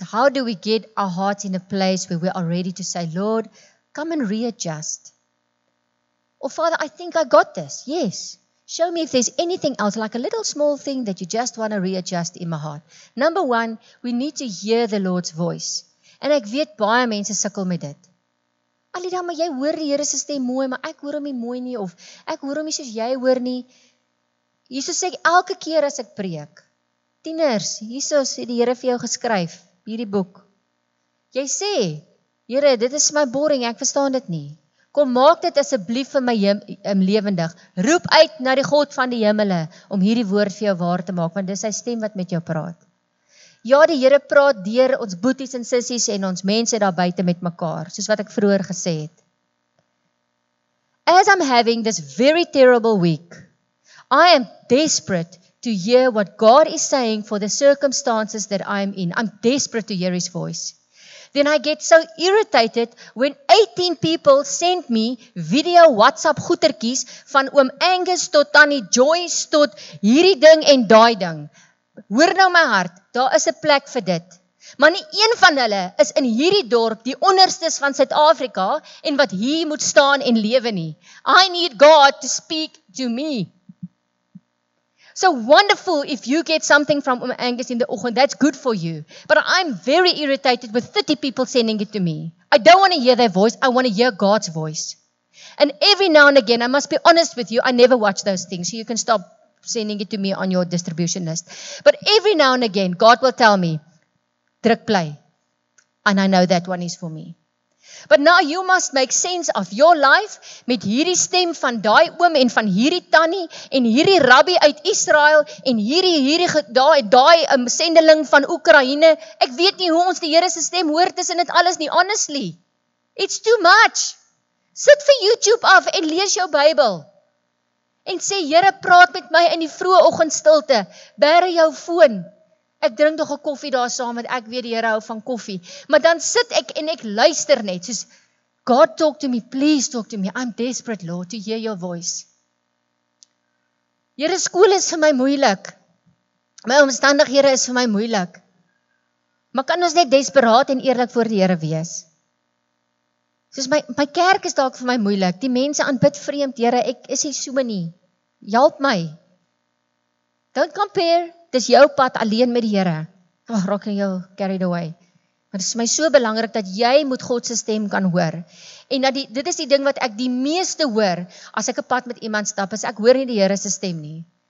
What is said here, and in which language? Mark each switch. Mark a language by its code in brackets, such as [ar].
[en] How do we get our hearts in a place where we are ready to say, Lord, come and readjust. Or Father, I think I got this. Yes. Show me if there's anything else, like a little small thing that you just want to readjust in my heart. Number one, we need to hear the Lord's voice. [af] En ek weet baie mense sukkel met dit. Alida, maar jy hoor die Here se stem mooi, maar ek hoor hom nie mooi nie, of ek hoor hom nie soos jy hoor nie. Jesus sê elke keer as ek preek, tieners, Jesus het die Here vir jou geskryf, hierdie boek. Jy sê, Here, dit is my boring, ek verstaan dit nie. Kom, maak dit asseblief vir my lewendig. Roep uit na die God van die hemele om hierdie woord vir jou waar te maak, want dis sy stem wat met jou praat. Ja, die Here praat deur ons boeties en sissies en ons mense daar buite met mekaar, soos wat ek vroeër gesê het. [en] As I'm having this very terrible week, I am desperate to hear what God is saying for the circumstances that I'm in. I'm desperate to hear His voice. Then I get so irritated when 18 people send me video WhatsApp [af] goetertjies van oom Angus tot Tannie Joyce tot hierdie ding en daai ding. Hoor nou my hart, daar is 'n plek vir dit. Maar nie een van hulle is in hierdie dorp die onderstes van Suid-Afrika en wat hier moet staan en lewe nie. [en] I need God to speak to me. So wonderful if you get something from oom Angus in the oggend, that's good for you. But I'm very irritated with 30 people sending it to me. I don't want to hear their voice, I want to hear God's voice. And every now and again, I must be honest with you, I never watch those things, so you can stop sending it to me on your distribution list. But every now and again, God will tell me, druk play. And I know that one is for me. But now you must make sense of your life [af] met hierdie stem van daai oom en van hierdie tannie en hierdie rabbi uit Israel en hierdie daai sendeling van Oekraïne. Ek weet nie hoe ons die Here se stem hoor tussen dit alles nie, honestly. [en] It's too much. [af] Sit vir YouTube af en lees jou Bybel. En sê, Here, praat met my in die vroeë oggendstilte. Bêre jou foon. Ek drink nog 'n koffie daar saam, want ek weet die Here hou van koffie. Maar dan sit ek en ek luister net, soos, [en] God talk to me, please talk to me. I'm desperate, Lord, to hear your voice. [af] Here, skool is vir my moeilik. My omstandighede is vir my moeilik. Maar kan ons net desperaat en eerlik voor die Here wees? Soos my kerk is dalk vir my moeilik. Die mense aanbid vreemd, Here, ek is nie so nie. Help my. [en] Don't compare. [af] Dis jou pad alleen met die Here. Ag, raak nie jou [en] carried away. [af] Maar dit is my so belangrik dat jy moet God se stem kan hoor. En dat dit is die ding wat ek die meeste hoor as ek 'n pad met iemand stap, is ek hoor nie die Here se stem nie.